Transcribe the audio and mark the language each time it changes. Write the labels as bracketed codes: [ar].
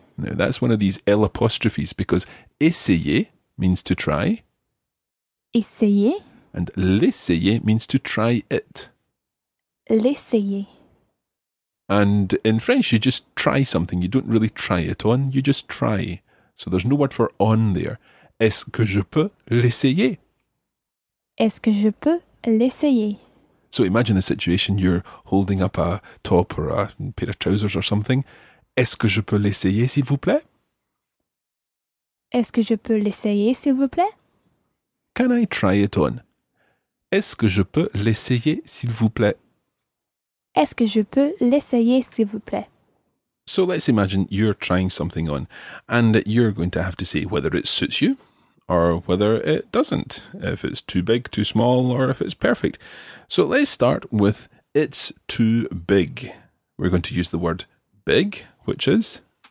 [en] Now that's one of these L apostrophes because essayer means to try. [fr] Essayer. [en] And l'essayer means to try it. [fr] L'essayer. [en] And in French, you just try something. You don't really try it on, you just try. So there's no word for on there. [fr] Est-ce que je peux l'essayer? Est-ce que je peux l'essayer? [en] So imagine a situation, you're holding up a top or a pair of trousers or something. [fr] Est-ce que je peux l'essayer, s'il vous plaît? Est-ce que je peux l'essayer, s'il vous plaît? [en] Can I try it on? [fr] Est-ce que je peux l'essayer, s'il vous plaît? Est-ce que je peux l'essayer, s'il vous plaît? [en] So let's imagine you're trying something on and you're going to have to say whether it suits you or whether it doesn't, if it's too big, too small, or if it's perfect. So let's start with it's too big. We're going to use the word big, which is?